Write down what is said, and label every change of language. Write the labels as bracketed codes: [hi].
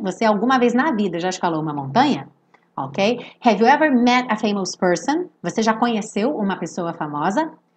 [pt] Você alguma vez na vida já escalou uma montanha? Ok? [en] Have you ever met a famous person? [pt] Você já conheceu uma pessoa famosa?